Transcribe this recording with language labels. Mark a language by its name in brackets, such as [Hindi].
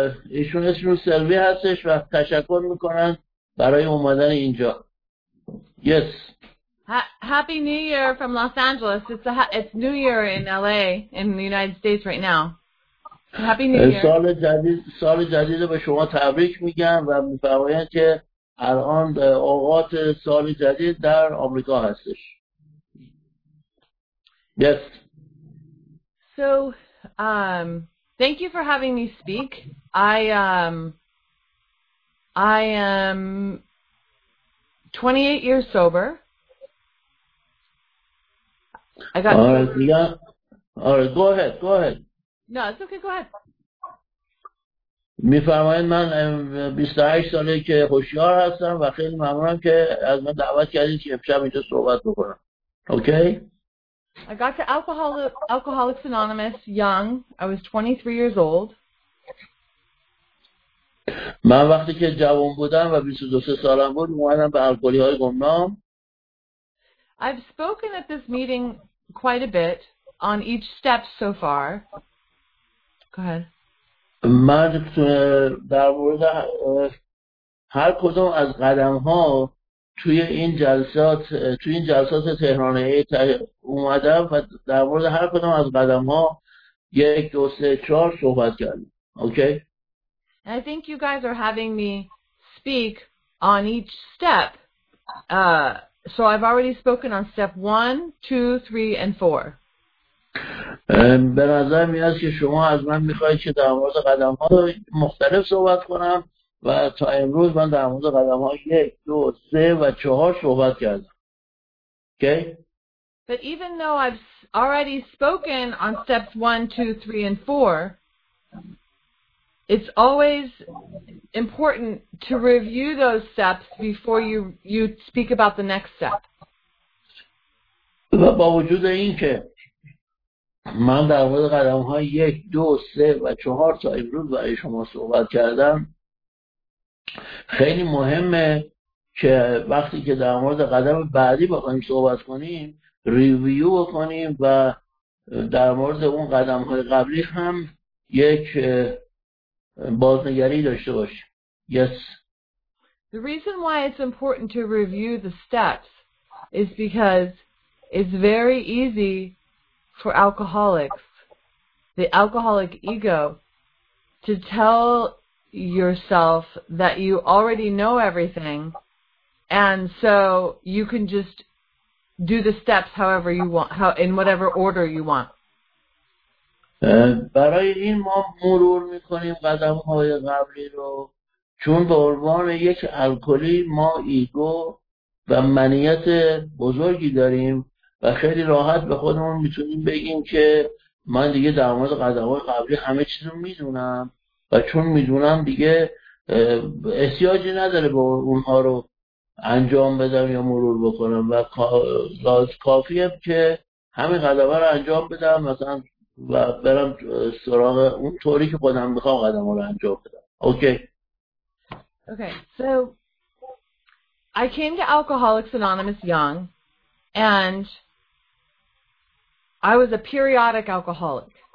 [Persian] ایشون اسمشون سلوی هستش و تشکر میکنن برای اومدن اینجا. [English] Yes. Happy New Year from Los Angeles. It's New Year in LA, in the United States right now. Happy New Year. [Persian] سال جدید به شما تبریک میگم و میفرمایم که الان به اوقات سال جدید در آمریکا هستش. [English] Yes. So, thank you for having me speak. I am 28 years sober. I got. All right. Go ahead. No, it's okay. Go ahead. [Persian] می‌فرمایید من 28 ساله که هوشیار هستم و خیلی ممنونم که از من دعوت کردید که امشب اینجا صحبت بکنم. [English] Okay? I got to Alcoholics Anonymous young. I was 23 years old. [Persian] من وقتی که جوان بودم و 22 سالم بود اومدم به الکلی‌های گمنام. [English] I've spoken at this meeting quite a bit on each step so far. Go ahead. [Persian] من در مورد هر کدوم از قدم ها توی این جلسات تهران ای اومدم و در مورد هر کدوم از قدم ها 1, 2, 3, 4 صحبت کردم. [English] Okay. I think you guys are having me speak on each step. So I've already spoken on step 1, 2, 3, and 4. [Persian] به نظر میاد که شما از من میخواهید که در مورد قدم ها مختلف صحبت کنم و تا امروز من در مورد قدم ها 1, 2, 3, and 4 صحبت کردم. [English] Okay? But even though I've already spoken on steps 1, 2, 3, and 4, it's always important to review those steps before you speak about the next step. [Persian] و با وجود این که من در مورد قدم های 1, 2, 3, and 4 تا امروز برای شما صحبت کردم، خیلی مهمه که وقتی که در مورد قدم بعدی بخوایم صحبت کنیم ریویو بکنیم و در مورد اون قدم های قبلی هم یک بازنگری داشته باشیم. [English] Yes. The reason why it's important to review the steps is because it's very easy for alcoholics, the alcoholic ego, to tell yourself that you already know everything, and so you can just do the steps however you want, in whatever order you want. [Persian] برای این ما مرور میکنیم قدم های قبلی رو، چون به عنوان یک الکلی ما ایگو و منیت بزرگی داریم و خیلی راحت به خودمون میتونیم بگیم که من دیگه در مورد قدم‌های قبلی همه چیز رو میدونم و چون میدونم دیگه احتیاجی نداره با اونها رو انجام بدم یا مرور بکنم و کافیه که همین قدم‌ها رو انجام بدم مثلا و برم سراغ اون طوری که خودم میخوام قدم‌ها رو انجام بدم. [English] Okay. So I came to Alcoholics Anonymous young and I was a periodic alcoholic.